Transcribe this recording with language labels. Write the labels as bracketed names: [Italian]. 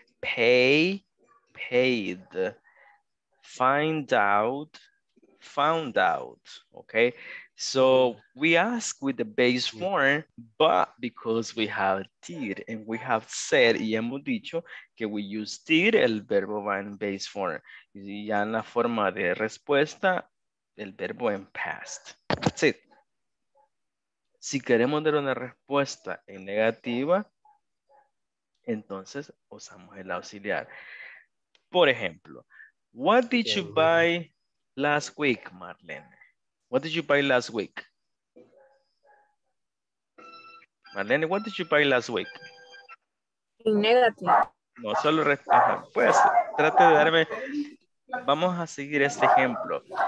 [English] Pay, paid. Find out, found out. Okay. So we ask with the base form, but because we have did and we have said, [Spanish] y hemos dicho que [English] we use did, [Spanish] el verbo va en [English] base form. [Spanish] Y ya en la forma de respuesta, el verbo en past. [English] That's it. [Spanish] Si queremos dar una respuesta en negativa, entonces usamos el auxiliar. Por ejemplo, [English] what did you buy last week, Marlene? What did you buy last week? Marlene, what did you buy last week? [Spanish] En negativo. No, solo respuesta. Pues, trate de darme. Vamos a seguir este ejemplo.